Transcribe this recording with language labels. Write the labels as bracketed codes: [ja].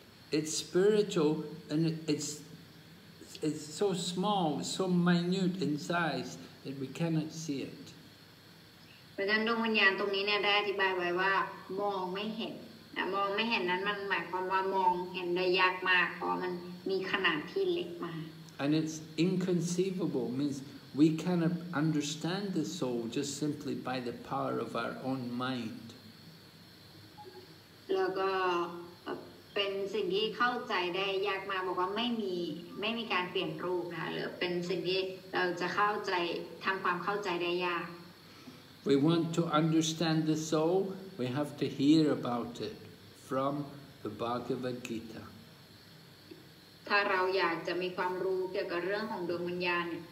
[en] It's spiritual and it's so small, so minute in size that we cannot see it. [th] เพราะฉะนั้นดวงวิญญาณตรงนี้เนี่ยได้อธิบายไว้ว่ามองไม่เห็นมองไม่เห็นนั้นมันหมายความว่ามองเห็นได้ยากมากเพราะมันมีขนาดที่เล็กมาก [en] And it's inconceivable means. We cannot understand the soul just simply by the power of our own mind. We want to understand the soul, we have to hear about it from the Bhagavad Gita. [th] ถ้าเราอยากจะมีความรู้เกี่ยวกับเรื่องของดวงวิญญาณ